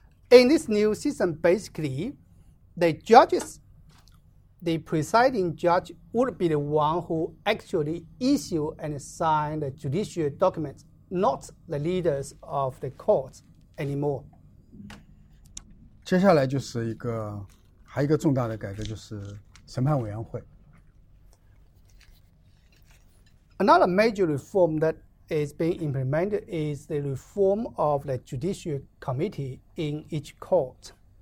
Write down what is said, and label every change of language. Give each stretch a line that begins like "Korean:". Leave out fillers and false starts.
English: In this new system, basically, the judges, the presiding judge, would be the one who actually issue and sign the judicial documents, not the leaders of the court anymore.
Chinese: 接下来就是一个重大的改革，就是审判委员会。
English: Another major reform that is being implemented is the reform of the judicial committee in each court.